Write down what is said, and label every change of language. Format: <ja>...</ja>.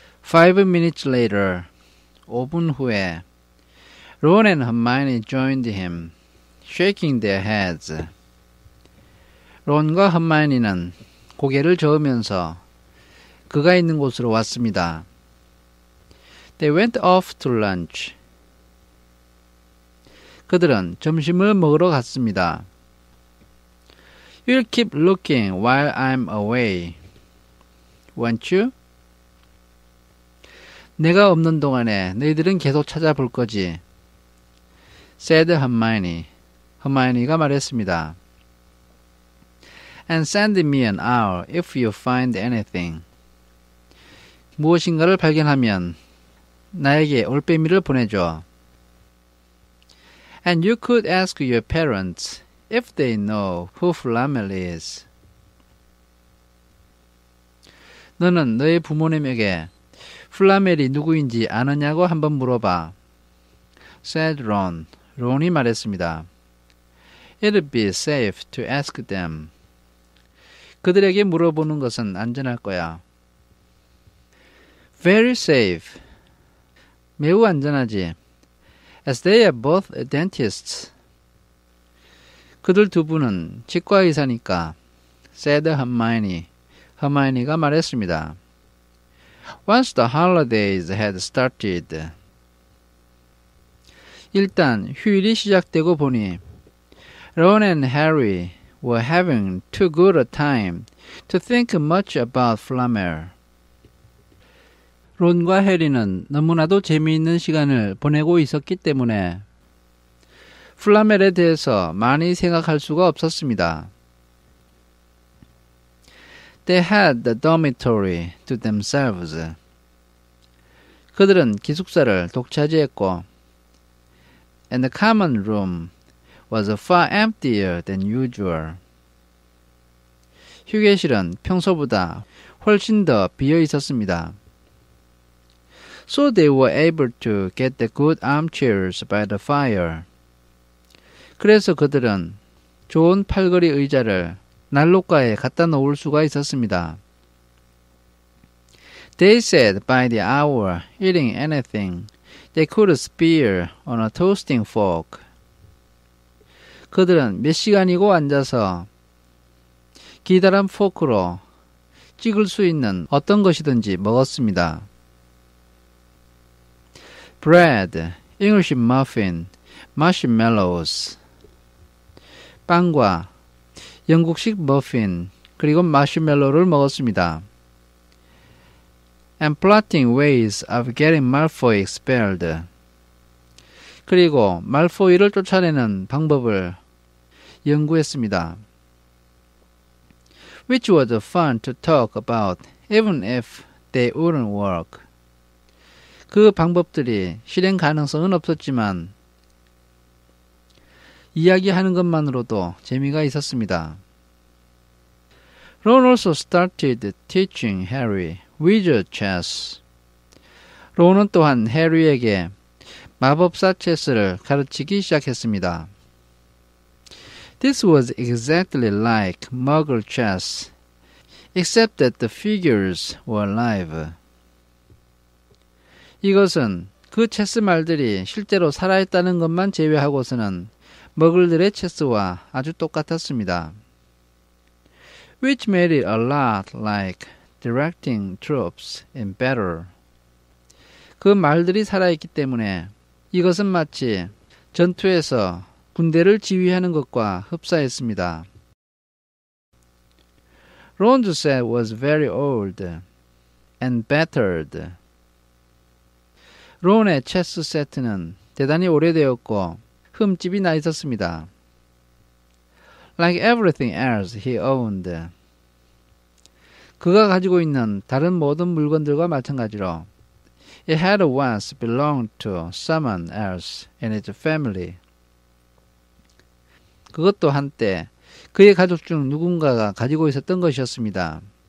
<en>5 minutes later,</en> <ko>5분 후에,</ko> <en>Ron and Hermione joined him, shaking their heads.</en> <ko>Ron과 Hermione는 고개를 저으면서 그가 있는 곳으로 왔습니다.</ko> <en>They went off to lunch.</en> <ko>그들은 점심을 먹으러 갔습니다.</ko> <en>You'll keep looking while I'm away, won't you?</en> <ko>내가 없는 동안에 너희들은 계속 찾아볼 거지.</ko> <en>Said Hermione.</en> <ko>Hermione가 말했습니다.</ko> <en>And send me an owl if you find anything.</en> <ko>무엇인가를 발견하면 나에게 올빼미를 보내줘.</ko> <en>And you could ask your parents if they know who Flamel is.</en> <ko>너는 너의 부모님에게 플라멜이 누구인지 아느냐고 한번 물어봐.</ko> <en>Said Ron.</en> <ko>Ron이 말했습니다.</ko> <en>It'd be safe to ask them.</en> <ko>그들에게 물어보는 것은 안전할 거야.</ko> <en>Very safe.</en> <ko>매우 안전하지.</ko> <en>As they are both dentists.</en> <ko>그들 두 분은 치과의사니까.</ko> <en>Said Hermione.</en> <ko>Hermione가 말했습니다.</ko> <en>Once the holidays had started.</en> <ko>일단 휴일이 시작되고 보니</ko> <en>Ron and Harry were having too good a time to think much about Flamel.</en> <ko>론과 해리는 너무나도 재미있는 시간을 보내고 있었기 때문에 플라멜에 대해서 많이 생각할 수가 없었습니다.</ko> <en>They had the dormitory to themselves.</en> <ko>그들은 기숙사를 독차지했고</ko> <en>And the common room was far emptier than usual.</en> <ko>휴게실은 평소보다 훨씬 더 비어 있었습니다.</ko> <en>So they were able to get the good armchairs by the fire.</en> <ko>그래서 그들은 좋은 팔걸이 의자를 난로가에 갖다 놓을 수가 있었습니다.</ko> <en>They sat by the hour, eating anything they could spear on a toasting fork.</en> <ko>그들은 몇 시간이고 앉아서 기다란 포크로 찍을 수 있는 어떤 것이든지 먹었습니다.</ko> <en>Bread, English muffin, marshmallows.</en> <ko>빵과 영국식 머핀 그리고 마시멜로를 먹었습니다.</ko> <en>And plotting ways of getting Malfoy expelled.</en> <ko>그리고 말포이를 쫓아내는 방법을 연구했습니다.</ko> <en>Which was fun to talk about, even if they wouldn't work.</en> <ko>그 방법들이 실행 가능성은 없었지만 이야기하는 것만으로도 재미가 있었습니다.</ko> <en>Ron also started teaching Harry wizard chess.</en> <ko>로는 또한 해리에게 마법사 체스를 가르치기 시작했습니다.</ko> <en>This was exactly like Muggle chess, except that the figures were alive.</en> <ko>이것은 그 체스 말들이 실제로 살아있다는 것만 제외하고서는 머글들의 체스와 아주 똑같았습니다.</ko> <en>Which made it a lot like directing troops in battle.</en> <ko>그 말들이 살아있기 때문에 이것은 마치 전투에서 군대를 지휘하는 것과 흡사했습니다.</ko> <en>Ron's set was very old and battered.</en> <ko>Ron의 체스 세트는 대단히 오래되었고 흠집이 나 있었습니다.</ko> <en>Like everything else he owned.</en> <ko>그가 가지고 있는 다른 모든 물건들과 마찬가지로</ko> <en>It had once belonged to someone else in its family.</en> <ko>그것도 한때 그의 가족 중 누군가가 가지고 있었던 것이었습니다.</ko>